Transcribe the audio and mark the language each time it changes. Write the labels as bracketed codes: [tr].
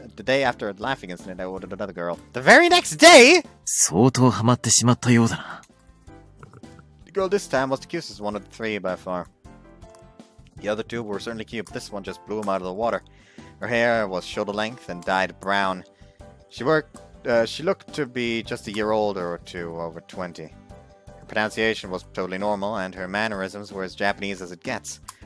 [en] The day after the laughing incident, I ordered another girl. The very next day! [ja] 相当ハマってしまったようだな。 [en] The girl this time was the cutest one of the three by far. The other two were certainly cute, but this one just blew him out of the water. Her hair was shoulder length and dyed brown. She looked to be just a year older or two, over 20. Her pronunciation was totally normal, and her mannerisms were as Japanese as it gets.